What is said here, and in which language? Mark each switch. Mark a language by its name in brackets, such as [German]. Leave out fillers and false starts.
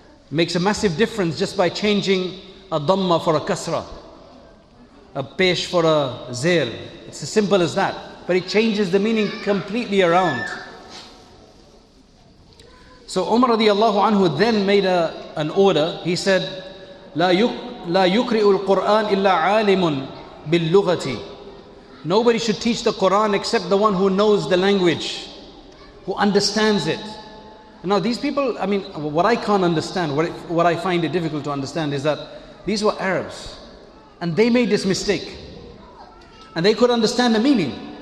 [English] Makes a massive difference just by changing a Dhamma for a Kasra, a Pesh for a Zail. It's as simple as that. But it changes the meaning completely around. So Umar radiallahu anhu then made an order. He said, [Arabic] لا يُقْرِئُ الْقُرْآنِ إِلَّا عَالِمٌ بِاللُّغَةِ. [English] Nobody should teach the Quran except the one who knows the language, who understands it. Now these people, I mean, what I can't understand, what I find it difficult to understand is that these were Arabs and they made this mistake and they could understand the meaning.